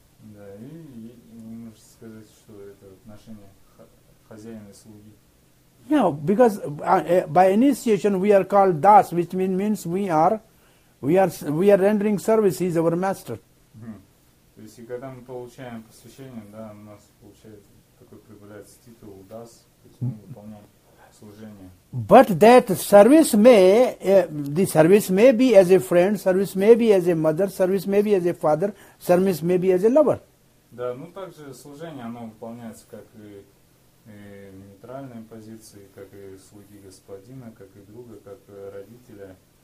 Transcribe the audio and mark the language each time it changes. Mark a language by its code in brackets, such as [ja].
[ru] Да, и можете сказать, что это отношение хозяина и слуги. [en] Yeah, because by initiation we are called Das, which means we are rendering service, he is our master. [ru] То есть, и когда мы получаем посвящение, да, у нас появляется титул Дас, то есть мы выполняем служение. [en] But that service may be as a friend, service may be as a mother, service may be as a father, service may be as a lover. [ru] Да, ну также служение, оно выполняется как и в нейтральной позиции, как и слуги господина, как и друга, как родителя.